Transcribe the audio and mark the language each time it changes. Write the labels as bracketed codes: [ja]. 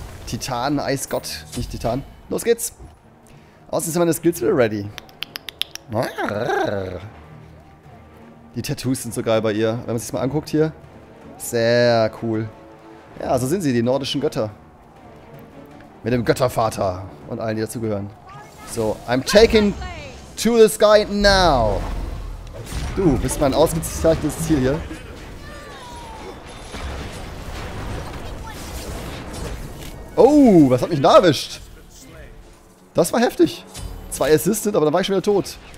[de] Titan, Eisgott, nicht Titan. Los geht's. Außerdem sind meine Skills wieder ready. Die Tattoos sind so geil bei ihr. Wenn man sich das mal anguckt hier. Sehr cool. Ja, so sind sie, die nordischen Götter. Mit dem Göttervater und allen, die dazugehören. [en] So, I'm taking to the sky now. [de] Du bist mein ausgezeichnetes Ziel hier. Oh, was hat mich da erwischt? Das war heftig. Zwei Assisted, aber dann war ich schon wieder tot.